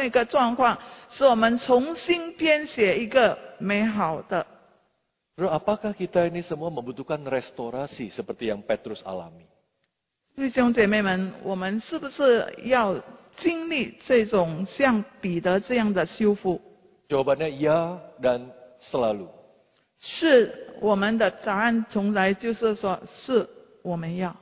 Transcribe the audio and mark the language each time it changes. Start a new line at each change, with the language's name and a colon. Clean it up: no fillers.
Chinese: 但是主耶稣的福音却是有这种能力，使我们改变我们生命的那个状况，使我们重新编写一个。美好的。
Indonesian: Apakah kita ini semua membutuhkan restorasi seperti yang Petrus alami?
Chinese: 弟兄姐妹们，我们是不是要经历这种像彼得这样的修复？
Indonesian: Jawabannya ya dan selalu.
Chinese: 是，我们的答案从来就是说，是我们要。